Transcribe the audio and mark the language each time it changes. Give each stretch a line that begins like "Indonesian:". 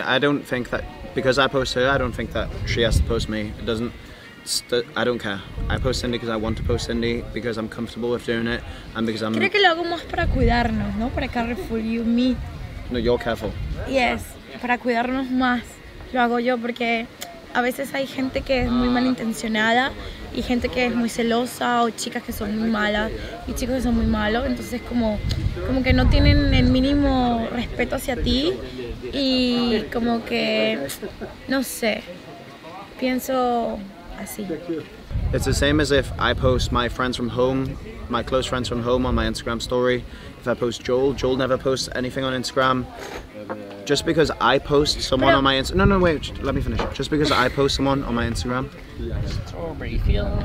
English: I don't think that, because I post her, I don't think that she has to post me. It doesn't, I don't care. I post Cindy because I want to post Cindy, because I'm comfortable with doing it, and because I'm...
Spanish: Creo que lo hago más para cuidarnos, ¿no?
English: Para careful you, me. No, you're careful.
Spanish: Yes, para cuidarnos más. Lo hago yo porque a veces hay gente que es muy malintencionada y gente que es muy celosa o chicas que son muy malas y chicos que son muy malos, entonces como que no tienen el mínimo respeto hacia ti y como que, no sé, pienso así.
English: It's the same as if I post my friends from home, my close friends from home on my Instagram story. If I post Joel, Joel never posts anything on Instagram. Just because I post someone on my Instagram... No, no, wait, let me finish. Just because I post someone on my Instagram... Strawberry field.